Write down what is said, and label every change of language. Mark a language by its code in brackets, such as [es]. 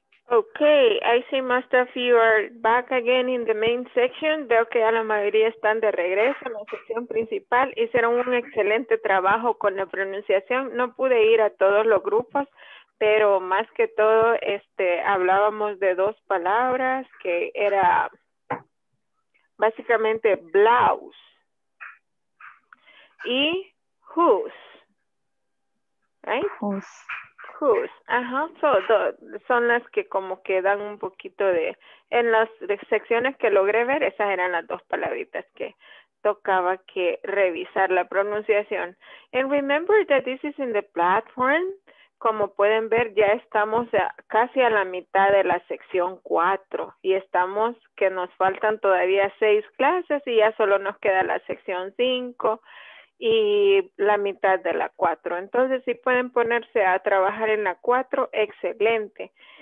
[en] Okay, I see most of you are back again in the main section. [es] Veo que ya la mayoría están de regreso en la sección principal. Hicieron un excelente trabajo con la pronunciación. No pude ir a todos los grupos, pero más que todo, hablábamos de dos palabras que era básicamente blouse y whose. [en] Right? Who's. Ajá. [es] Son las que como que dan un poquito de... En las secciones que logré ver, esas eran las dos palabritas que tocaba que revisar la pronunciación. [en] And remember that this is in the platform. [es] Como pueden ver, ya estamos casi a la mitad de la sección 4. Y estamos que nos faltan todavía 6 clases y ya solo nos queda la sección 5. Y la mitad de la 4. Entonces, si pueden ponerse a trabajar en la 4, excelente.